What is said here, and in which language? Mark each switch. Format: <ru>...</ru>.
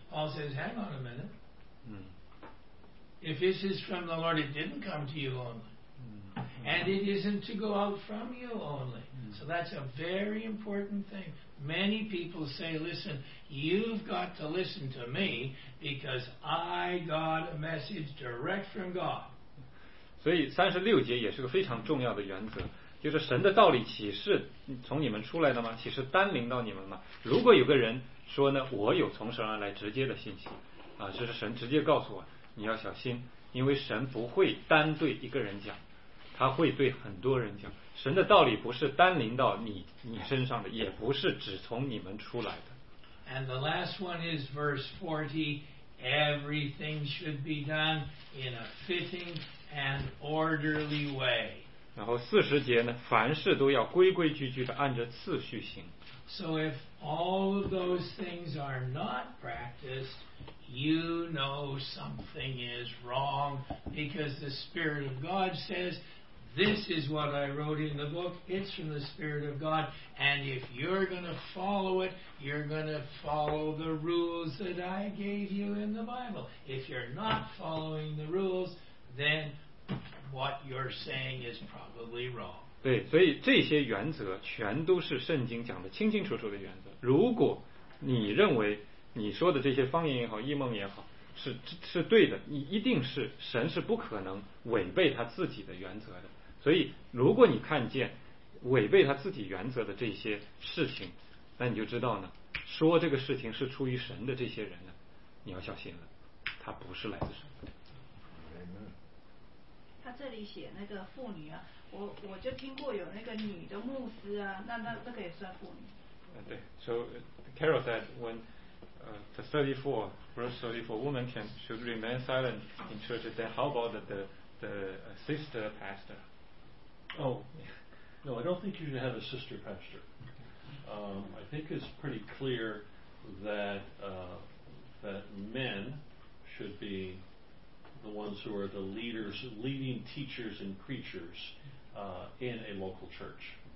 <en>Paul says, "Hang on a minute. If this is from the Lord, it didn't come to you only, and it isn't to go out from you only." So that's a very important thing. Many people say, "Listen, you've got to listen to me because I got a message direct from God."</en> <zh>所以三十六节也是个非常重要的原则，就是神的道理岂是从你们出来的吗？岂是单临到你们吗？如果有个人说呢，我有从神而来直接的信息啊，这是神直接告诉我，你要小心，因为神不会单对一个人讲，他会对很多人讲。神的道理不是单临到你身上的，也不是只从你们出来的。</zh> <en>And the last one is verse 40. Everything should be done in a fitting and orderly way.</en> <zh>然后四十节呢，凡事都要规规矩矩的按着次序行。</zh> <en>So if all of those things are not practiced, you know something is wrong, because the Spirit of God says, this is what I wrote in the book, it's from the Spirit of God, and if you're going to follow it, you're going to follow the rules that I gave you in the Bible. If you're not following the rules, then what you're saying is probably wrong.</en> <zh>对，所以这些原则全都是圣经讲的清清楚楚的原则。如果你认为你说的这些方言也好，异梦也好，是对的，你一定是神是不可能违背他自己的原则的。所以如果你看见违背他自己原则的这些事情，那你就知道呢，说这个事情是出于神的这些人呢，你要小心了，他不是来自神的。他这里写那个妇女啊，我就听过有那个女的牧师啊，那个也算妇女。</zh> <en>对， so Carol said when the 34 verse 34 women should remain silent in church, then how about the sister pastor? Oh, no, I don't think you should have a sister pastor. I think it's pretty clear that that men should be the ones who are the leaders, leading teachers and preachers in a local church.</en>